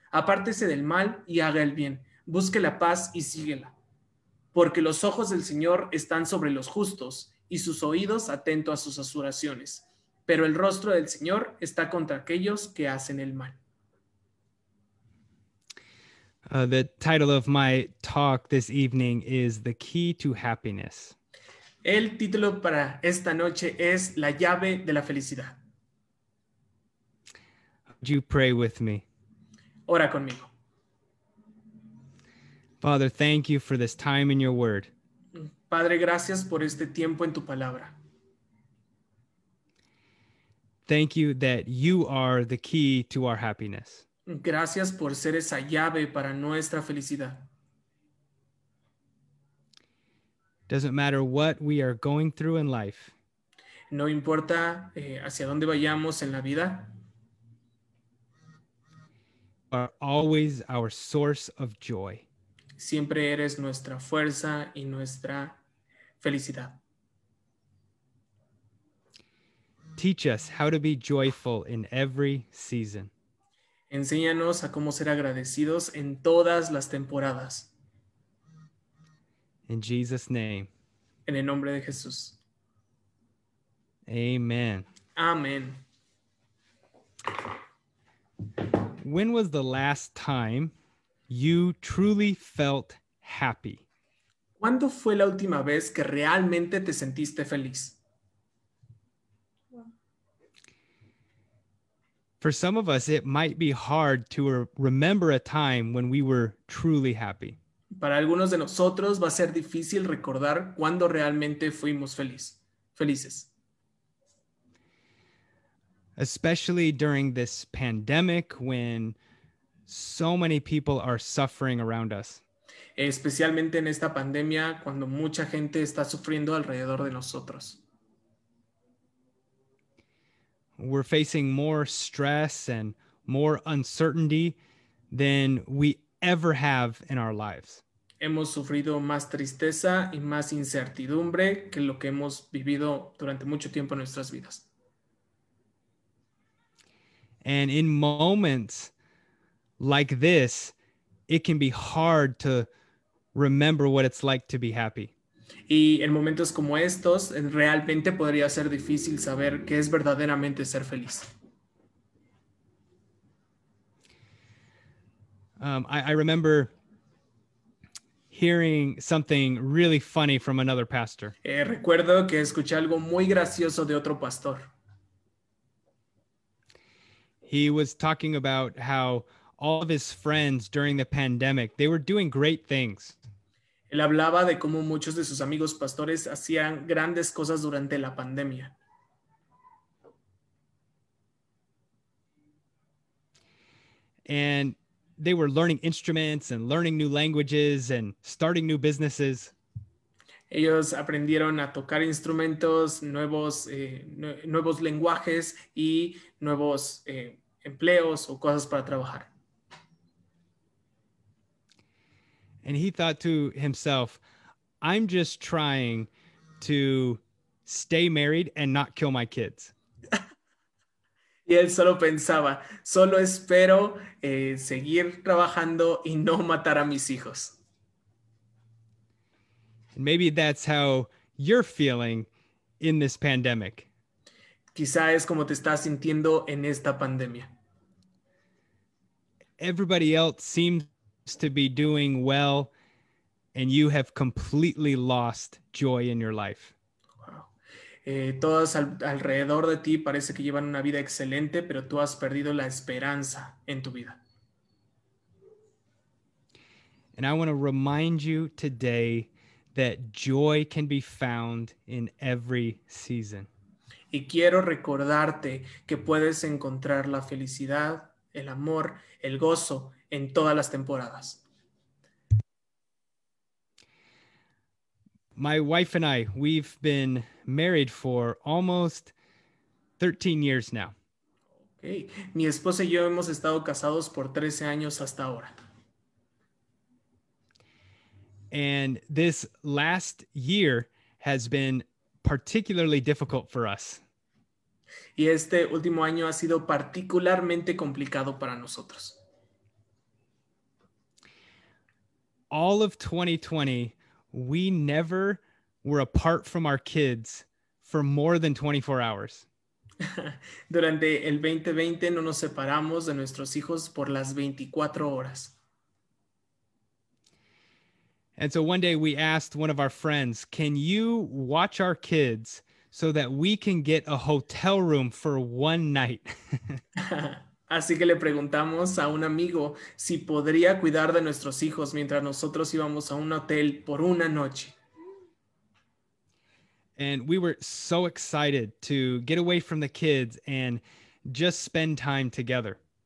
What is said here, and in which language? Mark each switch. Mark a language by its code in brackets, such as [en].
[es] Apártese del mal y haga el bien. Busque la paz y síguela. Porque los ojos del Señor están sobre los justos y sus oídos atentos a sus oraciones. Pero el rostro del Señor está contra aquellos que hacen el mal. [en] The title of my talk this evening is The Key to Happiness. [es] El título para esta noche es La Llave de la Felicidad. [en] Would you pray with me? [es] Ora conmigo. [en] Father, thank you for this time in your word. [es] Padre, gracias por este tiempo en tu palabra. [en] Thank you that you are the key to our happiness. [es] Gracias por ser esa llave para nuestra felicidad. [en] Doesn't matter what we are going through in life. [es] No importa hacia dónde vayamos en la vida. [en] Are always our source of joy. [es] Siempre eres nuestra fuerza y nuestra felicidad. [en] Teach us how to be joyful in every season. [es] Enséñanos a cómo ser agradecidos en todas las temporadas. [en] In Jesus' name. [es] En el nombre de Jesús. [en] Amen. [es] Amen. [en] When was the last time you truly felt happy? [es] ¿Cuándo fue la última vez que realmente te sentiste feliz? [en] For some of us, it might be hard to remember a time when we were truly happy. [es] Para algunos de nosotros va a ser difícil recordar cuándo realmente fuimos felices. [en] Especially during this pandemic when so many people are suffering around us. [es] Especialmente en esta pandemia cuando mucha gente está sufriendo alrededor de nosotros. [en] We're facing more stress and more uncertainty than we ever have in our lives. [es] Hemos sufrido más tristeza y más incertidumbre que lo que hemos vivido durante mucho tiempo en nuestras vidas. [en] And in moments like this, it can be hard to remember what it's like to be happy. [es] Y en momentos como estos, realmente podría ser difícil saber qué es verdaderamente ser feliz. [en] I remember hearing something really funny from another pastor. [es] Recuerdo que escuché algo muy gracioso de otro pastor. [en] He was talking about how all of his friends during the pandemic, they were doing great things. [es] Él hablaba de cómo muchos de sus amigos pastores hacían grandes cosas durante la pandemia. [en] And they were learning instruments and learning new languages and starting new businesses. [es] Ellos aprendieron a tocar instrumentos, nuevos lenguajes y nuevos empleos o cosas para trabajar. [en] And he thought to himself, I'm just trying to stay married and not kill my kids. [es] Y él solo pensaba, solo espero seguir trabajando y no matar a mis hijos. [en] Maybe that's how you're feeling in this pandemic. [es] Quizá es como te estás sintiendo en esta pandemia. [en] Everybody else seems to be doing well, and you have completely lost joy in your life. [es] Todos alrededor de ti parece que llevan una vida excelente, pero tú has perdido la esperanza en tu vida. [en] And I want to remind you today that joy can be found in every season. [es] Y quiero recordarte que puedes encontrar la felicidad, el amor, el gozo en todas las temporadas. [en] My wife and I, we've been married for almost 13 years now. Okay. [es] Mi esposa y yo hemos estado casados por 13 años hasta ahora. [en] And this last year has been particularly difficult for us. [es] Y este último año ha sido particularmente complicado para nosotros. [en] All of 2020, we never were apart from our kids for more than 24 hours. [es] Durante el 2020 no nos separamos de nuestros hijos por las 24 horas. [en] And so one day we asked one of our friends, can you watch our kids so that we can get a hotel room for one night? [es] Así que le preguntamos a un amigo si podría cuidar de nuestros hijos mientras nosotros íbamos a un hotel por una noche. [en] And we were so excited to get away from the kids and just spend time together.